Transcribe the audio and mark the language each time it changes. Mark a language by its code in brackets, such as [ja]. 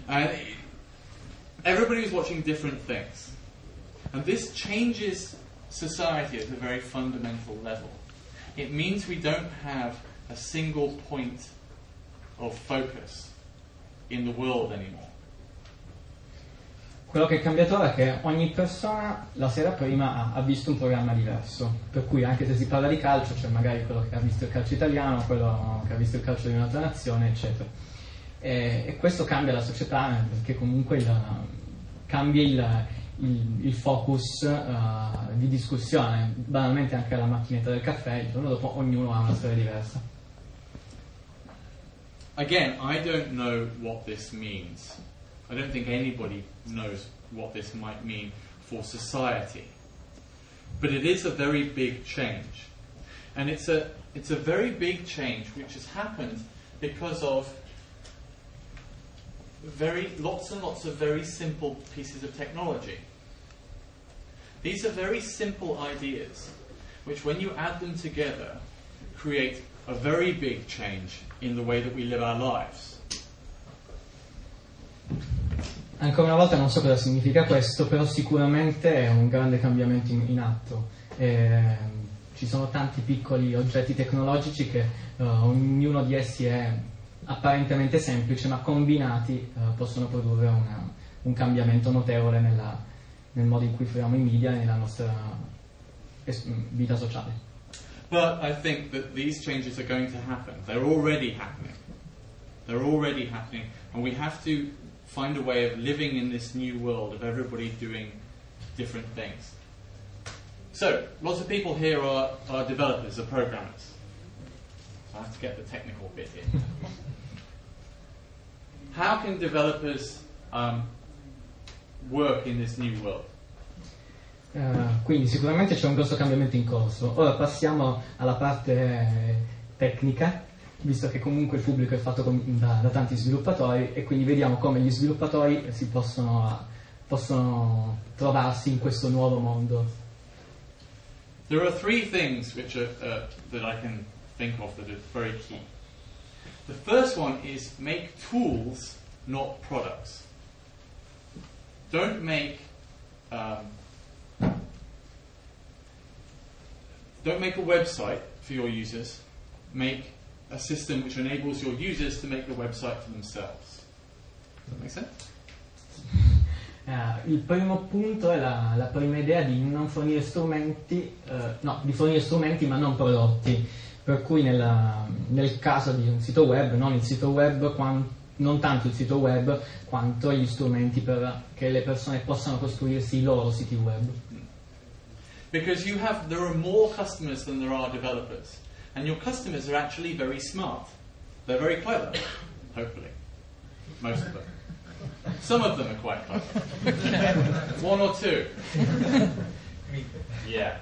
[en] And everybody was watching different things. And this changes society at a very fundamental level. It means we don't have a single point of focus in the world anymore. [it] Quello che è cambiato ora è che ogni persona la sera prima ha visto un programma diverso, per cui anche se si parla di calcio, c'è cioè magari quello che ha visto il calcio italiano, quello che ha visto il calcio di un'altra nazione, eccetera. E questo cambia la società perché comunque cambia il focus di discussione, banalmente anche la macchinetta del caffè, il giorno dopo ognuno ha una storia diversa. [en] Again, I don't know what this means. I don't think anybody knows what this might mean for society. But it is a very big change. And it's a very big change which has happened because of lots and lots of very simple pieces of technology. These are very simple ideas which, when you add them together, create a very big change in the way that we live our lives. [it] Ancora una volta non so cosa significa questo, però sicuramente è un grande cambiamento in atto. Ci sono tanti piccoli oggetti tecnologici che ognuno di essi è apparentemente semplice, ma combinati possono produrre un cambiamento notevole nel modo in cui fruiamo i media e nella nostra vita sociale. [en] But I think that these changes are going to happen. They're already happening, and we have to find a way of living in this new world of everybody doing different things. So, lots of people here are developers, are programmers. So I have to get the technical bit in. How can developers work in this new world? [it] Quindi sicuramente c'è un grosso cambiamento in corso. Ora passiamo alla parte tecnica, visto che comunque il pubblico è fatto da tanti sviluppatori, e quindi vediamo come gli sviluppatori si possono trovarsi in questo nuovo mondo. [en] There are 3 things which are that I can think of that are very key. The first one is make tools, not products. Don't make Don't make a website for your users. Make a system which enables your users to make the website for themselves. Does that make sense? [it] Il primo punto è la prima idea di non fornire strumenti, no, di fornire strumenti ma non prodotti. Per cui nel caso di un sito web, non il sito web, non tanto il sito web quanto gli strumenti per che le persone possano costruirsi i loro siti web. [en] Because you have, there are more customers than there are developers, and your customers are actually very smart. They're very clever, hopefully, most of them. Some of them are quite clever. One or two. Yeah.